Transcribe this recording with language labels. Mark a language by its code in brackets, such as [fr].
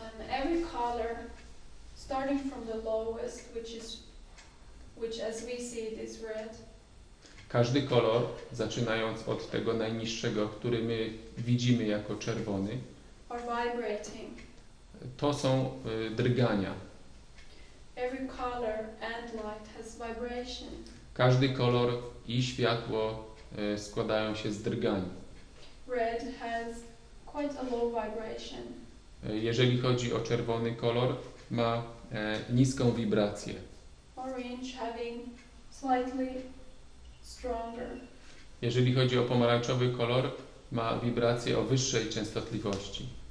[en] Every color, starting from the lowest, which as we see it is red. [pl] Każdy kolor, zaczynając od tego najniższego, który my widzimy jako czerwony, [en] are vibrating. [pl] To są drgania. [en] Every color and light has vibration. [pl] Każdy kolor i światło składają się z drgań. [en] Red has quite a low vibration. [pl] Jeżeli chodzi o czerwony kolor, ma niską wibrację. [en] Orange having slightly stronger. [pl] Jeżeli chodzi o pomarańczowy kolor, ma wibrację o wyższej częstotliwości.